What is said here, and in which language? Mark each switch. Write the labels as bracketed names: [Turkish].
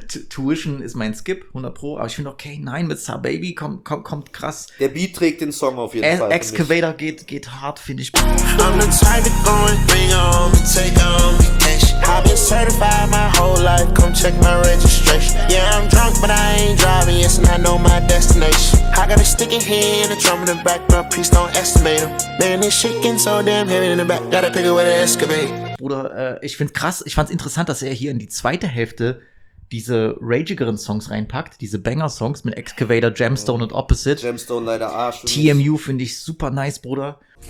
[German] Tuition ist mein Skip, 100 Pro. Aber ich finde, okay, nein, mit Sa Baby kommt krass. Der Beat trägt den Song auf jeden Fall. Excavator geht hart, finde ich. [English] I'm the type of going, bring on, take on me cash. I've been certified my whole life, come check my registration. Yeah, I'm drunk, but I ain't driving, yes, and I know my destination. I got a stick in hand, a drum in the back, but please don't estimate them. Man, this shit getting so damn heavy in the back, gotta pick it with an excavator. [German] Bruder, ich find's krass, ich fand's interessant, dass er hier in die zweite Hälfte diese ragigeren Songs reinpackt, diese Banger-Songs mit Excavator, Gemstone und Opposite. Gemstone leider Arsch. TMU finde ich super nice, Bruder.